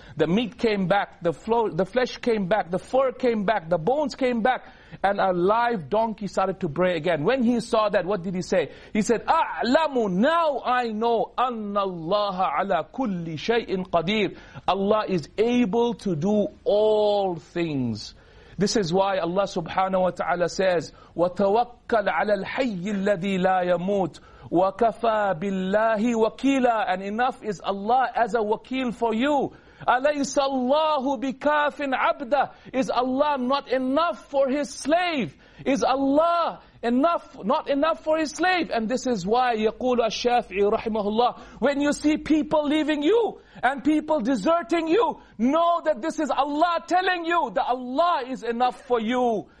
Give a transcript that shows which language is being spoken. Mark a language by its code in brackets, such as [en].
[en] The meat came back, the flesh came back, the fur came back, the bones came back, and a live donkey started to bray again. When he saw that, what did he say? He said, "A'lamu, now I know, [ar] anna Allaha ala kulli shay'in qadir." [en] Allah is able to do all things. This is why Allah subhanahu wa ta'ala says, [ar] وَتَوَكَّلْ عَلَى الْحَيِّ الَّذِي لَا يَمُوتُ وَكَفَى بِاللَّهِ وَكِيلًا. [en] And enough is Allah as a wakil for you. [ar] أَلَيْسَ اللَّهُ بِكَافٍ عَبْدًا. [en] Is Allah not enough for his slave? Is Allah enough, not enough for his slave? And this is why [ar] يقول الشافعي رحمه الله, [en] when you see people leaving you and people deserting you, know that this is Allah telling you that Allah is enough for you.